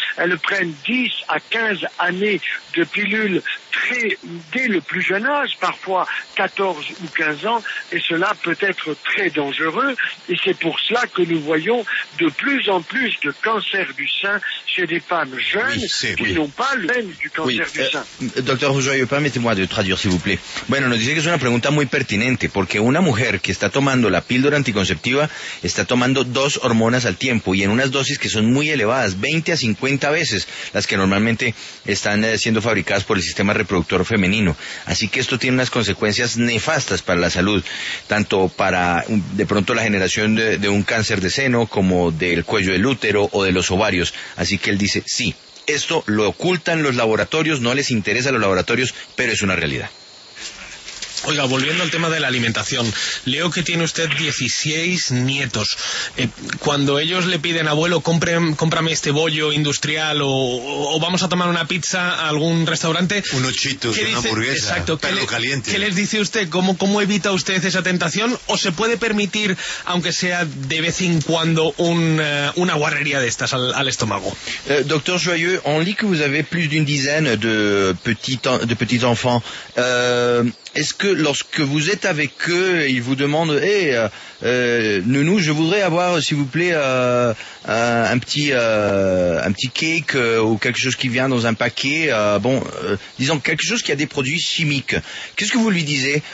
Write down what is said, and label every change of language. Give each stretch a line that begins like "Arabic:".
French: Elles prennent 10 à 15 années de pilule dès le plus jeune âge, parfois 14 ou 15 ans, et cela peut être très dangereux. Et c'est pour cela que nous voyons de plus en plus de cancers du sein chez des femmes jeunes n'ont pas le même du cancer du sein. Docteur Joyeux, permettez-moi de traduire, s'il vous plaît.
Spanish: Bueno, nos dice que una pregunta muy pertinente, porque una mujer que está tomando la píldora anticonceptiva está tomando dos hormonas al tiempo y en unas dosis que son muy elevadas, 20 a 50 veces las que normalmente están siendo fabricadas por el sistema reproductor femenino. Así que esto tiene unas consecuencias nefastas para la salud, tanto para de pronto la generación de un cáncer de seno como del cuello del útero o de los ovarios. Así que él dice, sí, esto lo ocultan los laboratorios, no les interesa a los laboratorios, pero es una realidad. Oiga, volviendo al tema de la alimentación, leo que tiene usted 16 nietos. Cuando ellos le piden, abuelo, cómprame este bollo industrial o vamos a tomar una pizza a algún restaurante... Unos chitos, una hamburguesa, exacto, pero caliente. ¿Qué les dice usted? ¿Cómo evita usted esa tentación? ¿O se puede permitir, aunque sea de vez en cuando, una guarrería de estas al estómago?
French: Doctor Joyeux, on lit que vous avez plus d'une dizaine de petits enfants. est-ce que lorsque vous êtes avec eux, ils vous demandent, nounou, je voudrais avoir, s'il vous plaît, un petit cake ou quelque chose qui vient dans un paquet, disons quelque chose qui a des produits chimiques. Qu'est-ce que vous lui disiez?